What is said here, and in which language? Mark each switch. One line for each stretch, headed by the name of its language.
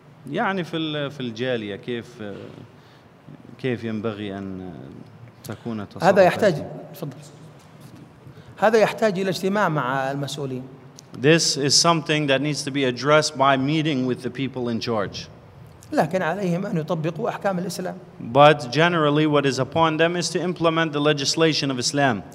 Arabic: يعني في الجالية كيف ينبغي أن تكون تصرف؟ هذا يحتاج تفضل. هذا يحتاج إلى اجتماع مع المسؤولين.
English: This is something that needs to be addressed by meeting with the people in charge.
Arabic: لكن عليهم أن يطبقوا أحكام الإسلام.
English: But generally, what is upon them is to implement the legislation of Islam.